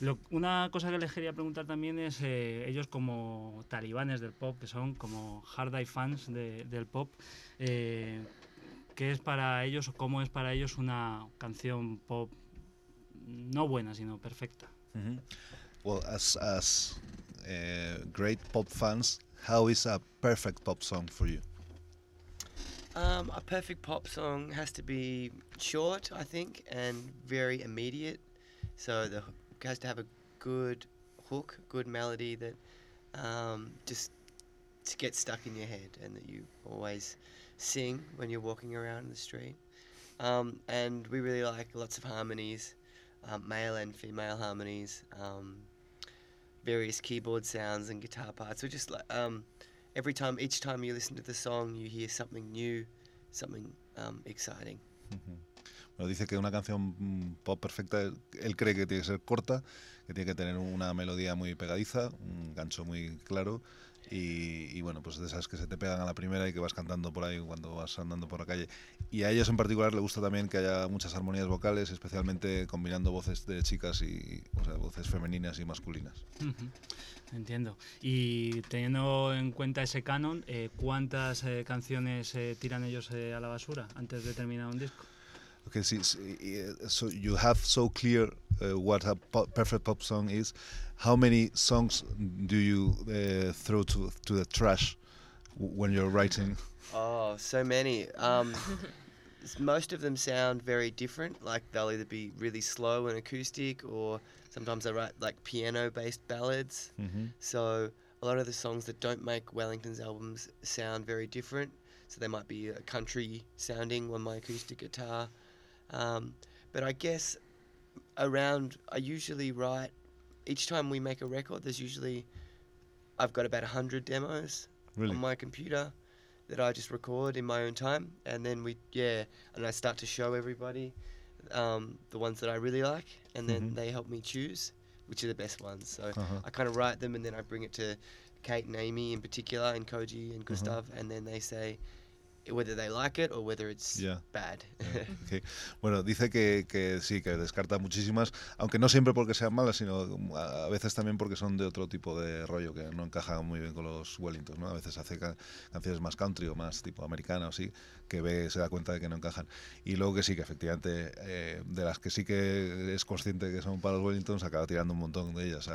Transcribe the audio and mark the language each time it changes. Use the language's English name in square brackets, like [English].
[Spanish] Una cosa que les quería preguntar también es, ellos como talibanes del pop, que son como [English] hard eye fans [Spanish] del pop, ¿qué es para ellos o cómo es para ellos una canción pop no buena, sino perfecta? Mm-hmm. [English] Well, as great pop fans, how is a perfect pop song for you? A perfect pop song has to be short, I think, and very immediate. So the hook has to have a good hook, good melody that just gets stuck in your head and that you always sing when you're walking around the street. And we really like lots of harmonies, male and female harmonies, various keyboard sounds and guitar parts. We just like each time you listen to the song, you hear something new. Something exciting. Uh-huh. [Spanish] Bueno, dice que una canción pop perfecta, él cree que tiene que ser corta, que tiene que tener una melodía muy pegadiza, un gancho muy claro, y bueno, pues de esas que se te pegan a la primera y que vas cantando por ahí cuando vas andando por la calle. Y a ellos en particular le gusta también que haya muchas armonías vocales, especialmente combinando voces de chicas y, o sea, voces femeninas y masculinas. Uh-huh. Entiendo. Y teniendo en cuenta ese canon, ¿cuántas canciones tiran ellos a la basura antes de terminar un disco? [English] Okay, so you have so clear what a perfect pop song is. How many songs do you throw to the trash when you're writing? Oh, so many. most of them sound very different. Like they'll either be really slow and acoustic, or sometimes I write like piano-based ballads. Mm-hmm. So a lot of the songs that don't make Wellington's albums sound very different. So they might be a country sounding on my acoustic guitar. But I guess around, I usually write, each time we make a record, there's usually, I've got about 100 demos. Really? On my computer that I just record in my own time. And then and I start to show everybody the ones that I really like. And then mm-hmm. they help me choose which are the best ones. So uh-huh. I kind of write them and then I bring it to Kate and Amy in particular, and Koji and Gustav. Uh-huh. And then they say whether they like it or whether it's bad. Okay. [Spanish] Bueno, dice que sí, que descarta muchísimas, aunque no siempre porque sean malas, sino a veces también porque son de otro tipo de rollo que no encaja muy bien con los Wellingtons, ¿no? A veces hace canciones más country o más tipo americana o así, que se da cuenta de que no encajan. Y luego que sí, que efectivamente, de las que sí que es consciente que son para los Wellingtons, acaba tirando un montón de ellas.